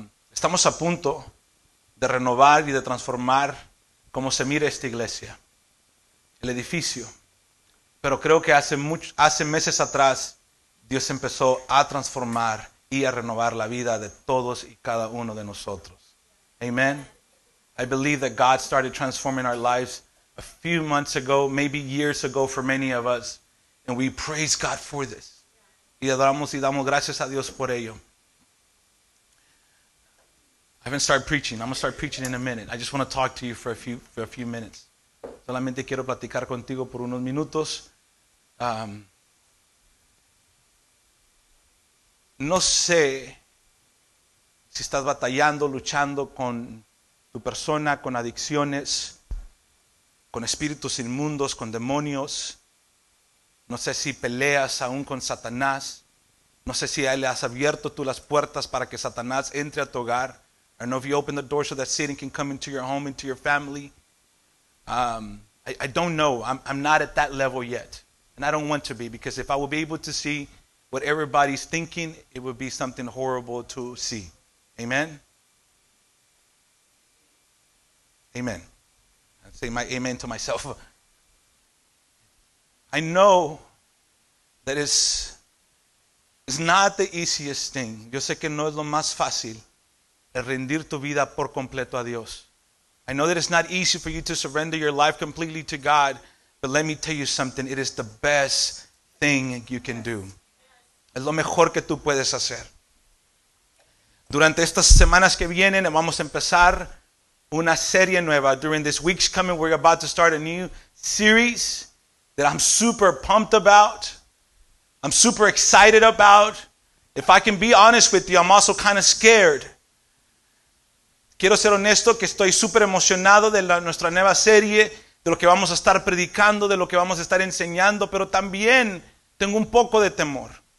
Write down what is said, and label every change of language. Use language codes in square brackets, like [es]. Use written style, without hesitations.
[es] Estamos a punto de renovar y de transformar cómo se mira esta iglesia, el edificio. Pero creo que hace meses atrás Dios empezó a transformar y a renovar la vida de todos y cada uno de nosotros. Amen. [en] I believe that God started transforming our lives a few months ago, maybe years ago for many of us, and we praise God for this. [es] Y adoramos y damos gracias a Dios por ello. [en] I haven't started preaching. I'm going to start preaching in a minute. I just want to talk to you for a few minutes. [es] Solamente quiero platicar contigo por unos minutos. No sé si estás batallando, luchando con tu persona, con adicciones, con espíritus inmundos, con demonios. No sé si peleas aún con Satanás. No sé si le has abierto tú las puertas para que Satanás entre a tu hogar. [en] I don't know if you open the door so that Satan can come into your home, into your family. I don't know. I'm not at that level yet. And I don't want to be, because if I would be able to see what everybody's thinking, it would be something horrible to see. Amen? Amen. I say my amen to myself. I know that it's not the easiest thing. [es] Yo sé que no es lo más fácil el rendir tu vida por completo a Dios. [en] I know that it's not easy for you to surrender your life completely to God, but let me tell you something. It is the best thing you can do. [es] Es lo mejor que tú puedes hacer. Durante estas semanas que vienen, vamos a empezar una serie nueva. [en] During this week's coming, we're about to start a new series that I'm super pumped about. I'm super excited about. If I can be honest with you, I'm also kind of scared. [es] Quiero ser honesto que estoy súper emocionado de nuestra nueva serie, de lo que vamos a estar predicando, de lo que vamos a estar enseñando, pero también tengo un poco de temor.